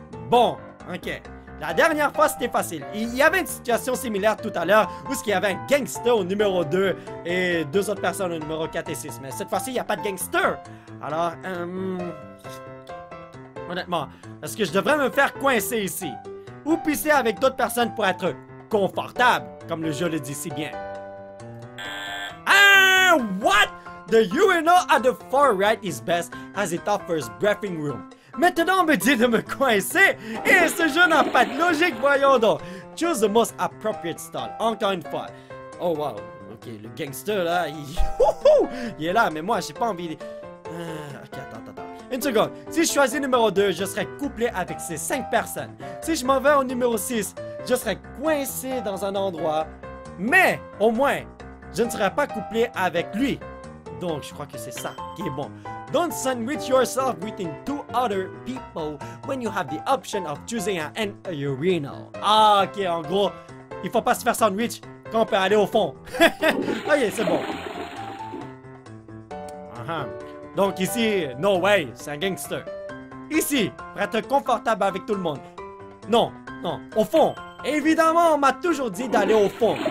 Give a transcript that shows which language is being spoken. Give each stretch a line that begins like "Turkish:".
French: Bon, ok. La dernière fois, c'était facile. Il y avait une situation similaire tout à l'heure où il y avait un gangster au numéro 2 et deux autres personnes au numéro 4 et 6. Mais cette fois-ci, il n'y a pas de gangster. Alors, honnêtement, est-ce que je devrais me faire coincer ici? Ou pisser avec d'autres personnes pour être confortable, comme le jeu le dit si bien?
English: Ah, what? The urinal at the far right is best as it offers breathing room.
French: Maintenant, on me dit de me coincer et ce jeu n'a pas de logique, voyons donc.
English: Choose the most appropriate stall,
French: encore une fois. Oh wow, ok, le gangster là, il est là, mais moi j'ai pas envie de... Ok, attends. Une seconde. Si je choisis numéro 2, je serai couplé avec ces 5 personnes. Si je m'en vais au numéro 6, je serai coincé dans un endroit. Mais, au moins, je ne serai pas couplé avec lui. Donc, je crois que c'est ça qui est bon.
English: Don't sandwich yourself between two other people when you have the option of choosing an urinal.
French: Ah, ok, en gros, il faut pas se faire sandwich quand on peut aller au fond. Ok, c'est bon. Donc ici,
English: no way,
French: c'est un gangster. Ici, pour être confortable avec tout le monde. Non, non, au fond. Évidemment, on m'a toujours dit d'aller au fond.